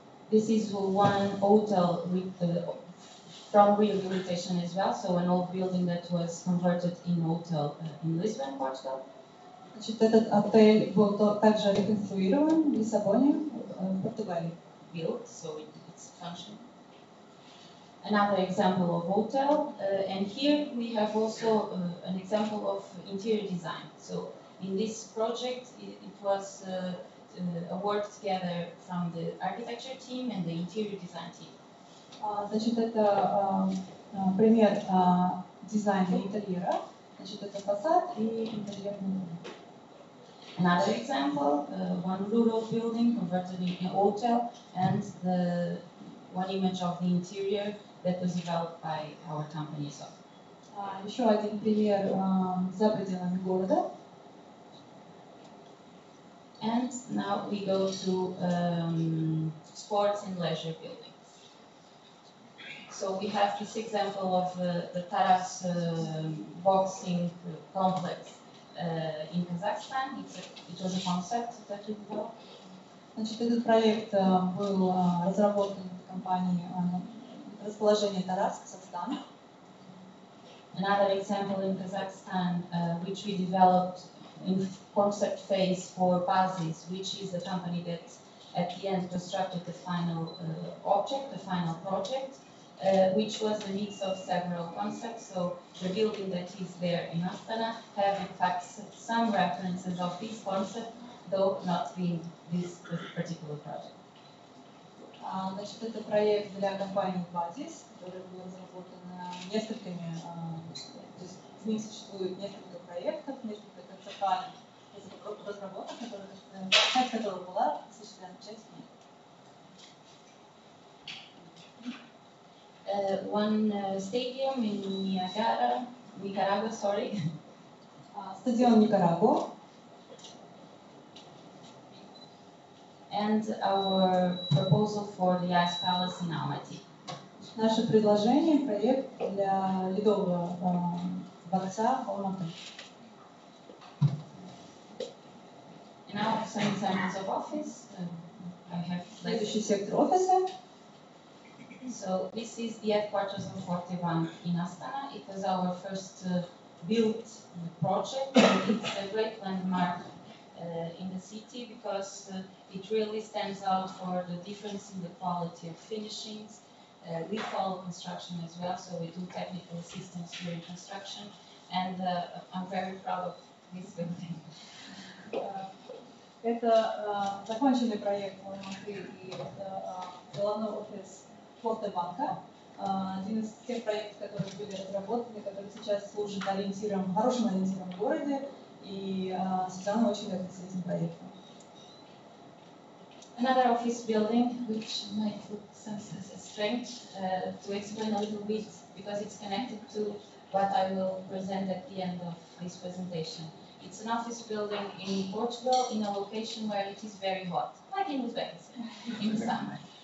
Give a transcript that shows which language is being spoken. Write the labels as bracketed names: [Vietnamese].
[English] This is one hotel with from rehabilitation as well, so an old building that was converted in hotel in Lisbon, Portugal. [Russian] Значит, этот отель был также реконструирован в Лиссабоне, в Португалии. [English] Built, so it's functional. Another example of hotel, and here we have also an example of interior design. So in this project, it was a work together from the architecture team and the interior design team. [Russian] Значит, это пример дизайна интерьера. Значит, это фасад и интерьерный. [English] Another example, one rural building converted into a hotel, and the one image of the interior that was developed by our company. So. [Russian] Еще один пример за пределами города. [English] And now we go to sports and leisure building. So we have this example of the Taras boxing complex in Kazakhstan. It was a concept that we developed. [Russian] Значит, этот проект был разработан компанией расположения Тарас, Казахстан. [English] Another example in Kazakhstan, which we developed in concept phase for Pazis, which is the company that at the end constructed the final object, the final project. Which was a mix of several concepts, so the building that is there in Astana have in fact some references of this concept, though not being this particular project. [Russian] Значит, это проект для компании Базис, который был разработан несколькими, то есть в ней существует несколько проектов, несколько концептуальных разработок, часть которых была осуществлена, часть нет. [English] One stadium in Niagara, Nicaragua, sorry. [Russian] Стадион Никарагу. [English] And our proposal for the Ice Palace in Almaty. [Russian] Наше предложение, проект для ледового дворца в Алматы. [English] And now some examples of office. [Russian] Следующий сектор офиса. [English] So this is the headquarters of 41 in Astana. It is our first built project, and it's a great landmark in the city, because it really stands out for the difference in the quality of finishings. We follow construction as well, so we do technical assistance during construction, and I'm very proud of this building. [Russian] Это законченный проект в Москве, и это головной офис Фотобанка. Один из тех проектов, которые были разработаны, который сейчас служит ориентиром, хорошим ориентиром в городе, и Сузанна очень гордится этим проектом. [English] Another office building, which might look sometimes strange to explain a little bit, because it's connected to what I will present at the end of this presentation. It's an office building in Portugal, in a location where it is very hot, like in Uzbekistan, in the summer.